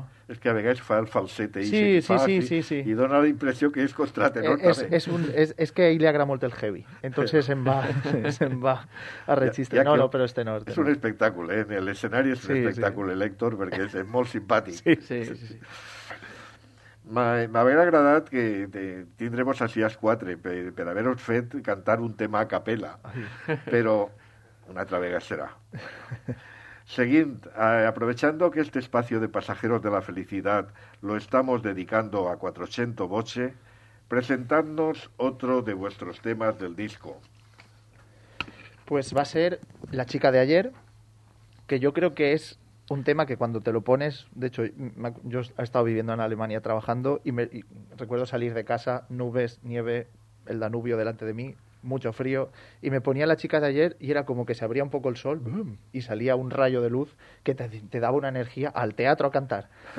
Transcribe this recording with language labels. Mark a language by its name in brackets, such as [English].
[Spanish] Es que a veces fa el falsete. Sí. Y da la impresión que es contratenor es que ahí le agrada mucho el heavy. Entonces se va a registro. No, pero es tenor. Es un espectáculo, en el escenario es un espectáculo el Héctor, porque es muy simpático. Sí. [Catalan] M'hauria agradat que tindrem-vos així als quatre per haver-vos fet cantar un tema a capella, però una altra vegada serà. Seguint, [Spanish] aprovechando que este espacio de Pasajeros de la Felicidad lo estamos dedicando a 400 Voce, presentadnos otro de vuestros temas del disco. Pues va a ser La chica de ayer, que yo creo que es un tema que cuando te lo pones, de hecho, yo he estado viviendo en Alemania trabajando y recuerdo salir de casa, nubes, nieve, el Danubio delante de mí, mucho frío, y me ponía La chica de ayer y era como que se abría un poco el sol y salía un rayo de luz que te daba una energía al teatro a cantar.